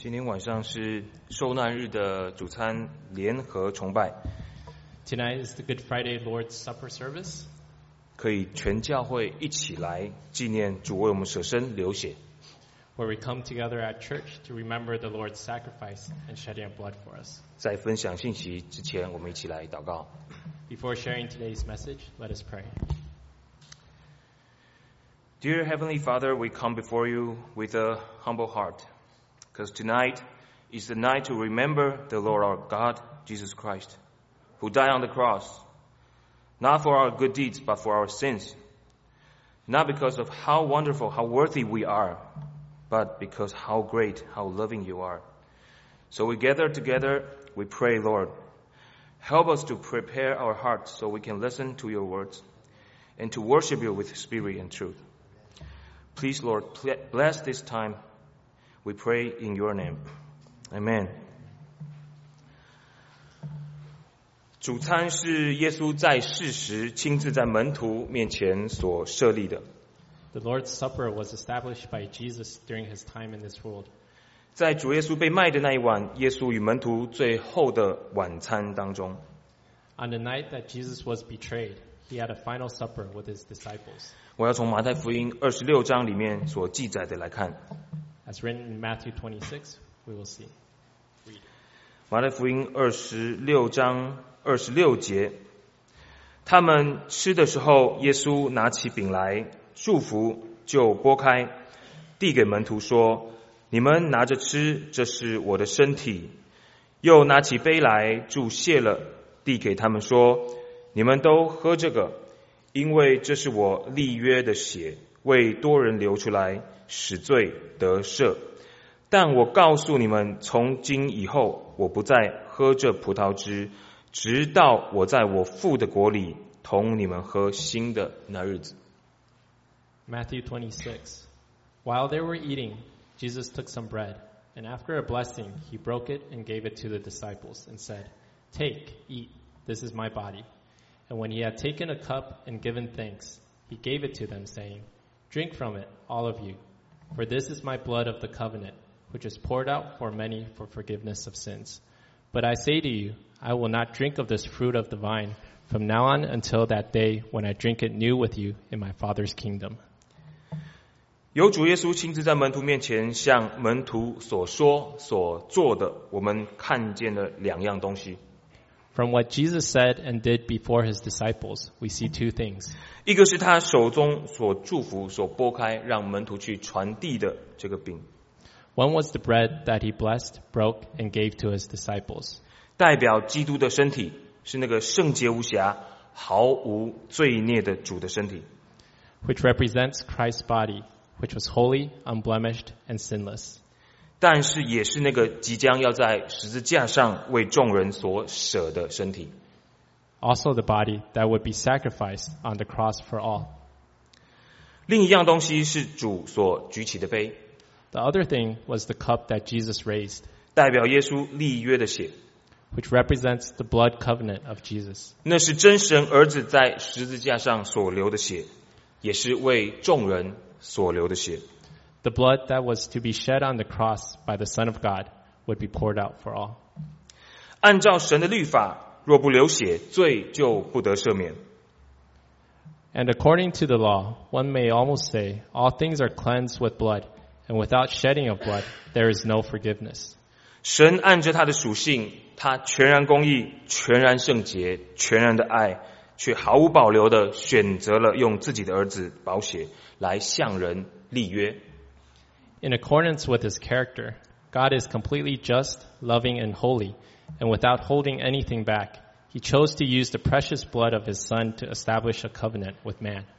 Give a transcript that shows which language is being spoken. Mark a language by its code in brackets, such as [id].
[zh] 今天晚上是受难日的主餐联合崇拜。 [en] Tonight is the Good Friday Lord's Supper service. [zh] 可以全教会一起来纪念主为我们舍身流血。 [en] Where we come together at church to remember the Lord's sacrifice and shedding of blood for us. [zh] 在分享信息之前，我们一起来祷告。 [en] Before sharing today's message, let us pray. Dear Heavenly Father, we come before you with a humble heart, because tonight is the night to remember the Lord our God, Jesus Christ, who died on the cross, not for our good deeds, but for our sins, not because of how wonderful, how worthy we are, but because how great, how loving you are. So we gather together, we pray, Lord, help us to prepare our hearts so we can listen to your words and to worship you with spirit and truth. Please, Lord, bless this time. We pray in your name. Amen. [zh] 主餐是耶稣在世时亲自在门徒面前所设立的。 [en] The Lord's Supper was established by Jesus during his time in this world. [zh] 在主耶稣被卖的那一晚，耶稣与门徒最后的晚餐当中。 [en] On the night that Jesus was betrayed,He had a final supper with his disciples. [zh] 我要从马太福音二十六章里面所记载的来看。 [en] As written in Matthew 26, we will see. [zh] 马太福音二十六章二十六节，他们吃的时候，耶稣拿起饼来，祝福，就拨开，递给门徒说：“你们拿着吃，这是我的身体。” 又拿起杯来，祝谢了，递给他们说。你们都喝这个，因为这是我立约的血，为多人流出来，使罪得赦。但我告诉你们，从今以后，我不再喝这葡萄汁，直到我在我父的国里同你们喝新的那日子。 [en] Matthew 26. While they were eating, Jesus took some bread, and after a blessing, he broke it and gave it to the disciples and said, "Take, eat. This is my body." And when he had taken a cup and given thanks, he gave it to them, saying, Drink from it, all of you, for this is my blood of the covenant, which is poured out for many for forgiveness of sins. But I say to you, I will not drink of this fruit of the vine from now on until that day when I drink it new with you in my Father's kingdom. [zh] 由主耶稣亲自在门徒面前向门徒所说所做的，我们看见了两样东西。 [en] From what Jesus said and did before his disciples, we see two things. [zh] 一个是他手中所祝福、所拨开，让门徒去传递的这个饼。 [en] One was the bread that he blessed, broke, and gave to his disciples. [zh] 代表基督的身体，是那个圣洁无瑕、毫无罪孽的主的身体。 [en] Which represents Christ's body, which was holy, unblemished, and sinless. [zh] 但是也是那个即将要在十字架上为众人所舍的身体。 [en] Also the body that would be sacrificed on the cross for all. [zh] 另一样东西是主所举起的杯。 [en] The other thing was the cup that Jesus raised. [zh] 代表耶稣立约的血。 [en] Which represents the blood covenant of Jesus. [zh] 那是真神儿子在十字架上所流的血，也是为众人所流的血。 [en] The blood that was to be shed on the cross by the Son of God would be poured out for all. [zh] 按照神的律法，若不流血，罪就不得赦免。 [en] And according to the law, one may almost say, all things are cleansed with blood, and without shedding of blood, there is no forgiveness. [zh] 神按着他的属性，他全然公义，全然圣洁，全然的爱，却毫无保留地选择了用自己的儿子宝血来向人立约。 [en] In accordance with his character, God is completely just, loving, and holy, and without holding anything back, he chose to use the precious blood of his son to establish a covenant with man.